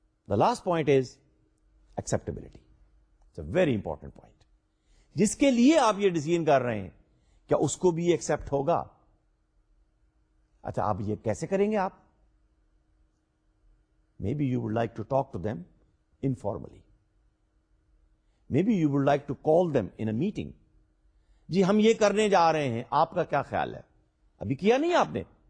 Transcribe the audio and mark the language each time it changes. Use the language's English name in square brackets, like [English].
[English] The last point is acceptability. It's a very important point. [Urdu] جس کے لیے آپ یہ ڈیسیژن کر رہے ہیں کیا اس کو بھی ایکسپٹ ہوگا؟ اچھا, آپ یہ کیسے کریں گے آپ؟ [English] Maybe you would like to talk to them informally. Maybe you would like to call them in a meeting. [Urdu] جی ہم یہ کرنے جا رہے ہیں, آپ کا کیا خیال ہے؟ ابھی کیا نہیں آپ نے.